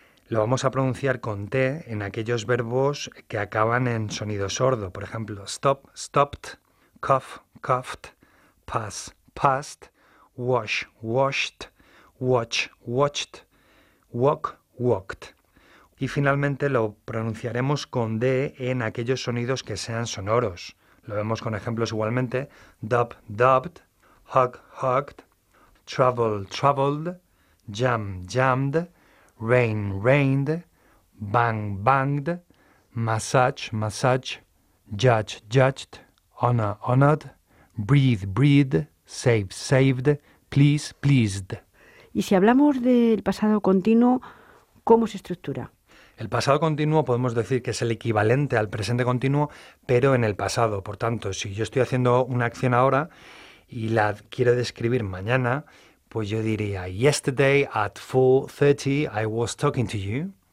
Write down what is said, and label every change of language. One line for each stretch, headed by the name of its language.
Spanish: Lo vamos a pronunciar con T en aquellos verbos que acaban en sonido sordo, por ejemplo, stop, stopped, cough, coughed, pass, passed, wash, washed, watch, watched, walk, walked. Y finalmente lo pronunciaremos con D en aquellos sonidos que sean sonoros. Lo vemos con ejemplos igualmente.
English: Dub, dubbed, hug, hugged, travel, traveled, jam, jammed, rain, rained, bang, banged, massage, massage, judge, judged, honor, honored, breathe, breathed, save, saved, please, pleased.
Spanish: Y si hablamos del pasado continuo, ¿cómo se estructura? El pasado continuo podemos decir que es el equivalente al presente continuo, pero en el pasado. Por tanto, si yo estoy haciendo una acción ahora y la quiero describir mañana, pues yo diría, yesterday at 4:30 I was talking to you.